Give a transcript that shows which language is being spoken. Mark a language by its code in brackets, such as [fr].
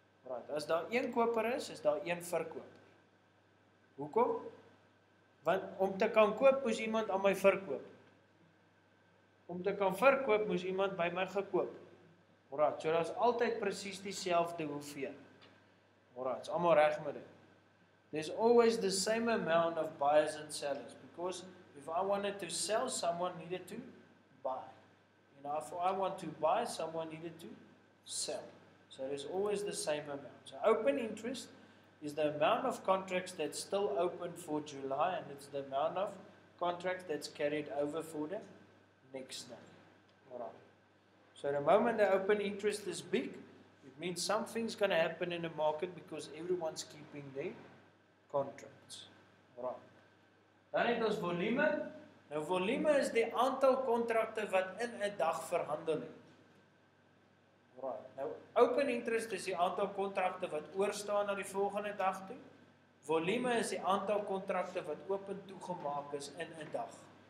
[af] Right, as daar een koper is, is daar een verkoper. Hoekom? Want om te kan koop, moes iemand aan my verkoop. Om te kan verkoop, moes iemand by my gekoop. Alraai, so dat is altyd precies die selfde hoeveel. Alraai, is allemaal reg met dit. [en] There's always the same amount of buyers and sellers. Because if I wanted to sell, someone needed to buy. And if I want to buy, someone needed to sell. So there's always the same amount. So open interest is the amount of contracts that's still open for July. And it's the amount of contracts that's carried over for them. Next day. Alright. So the moment the open interest is big, it means something's going to happen in the market because everyone's keeping their contracts. Alright. [af] Dan het ons volume. Nou volume is die aantal kontrakte wat in 'n dag verhandel het. [en] Alright. [af] Nou open interest is die aantal kontrakte wat oorstaan na die volgende dag toe. Volume is die aantal kontrakte wat open toegemaak is in 'n dag.